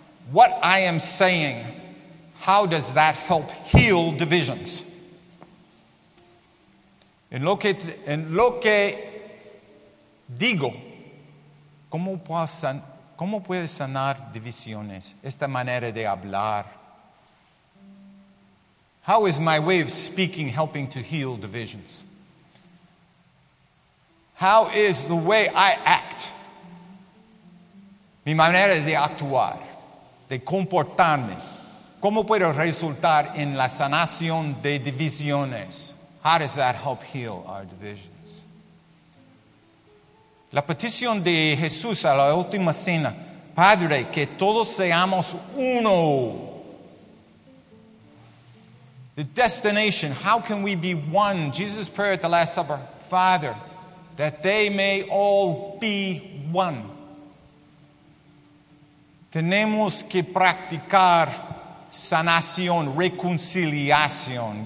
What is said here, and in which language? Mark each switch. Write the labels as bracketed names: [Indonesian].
[English] What I am saying, how does that help heal divisions? [Spanish] En lo que digo, ¿cómo puede sanar divisiones esta manera de hablar? [English] How is my way of speaking helping to heal divisions? How is the way I act, [Spanish] mi manera de actuar, de comportarme, cómo puedo resultar en la sanación de divisiones? [English] How does that help heal our divisions? [Spanish] La petición de Jesús a la última cena, Padre, que todos seamos uno. [English] The destination, how can we be one? Jesus' prayer at the Last Supper, Father, that they may all be one. [Spanish] Tenemos que practicar sanación, reconciliación.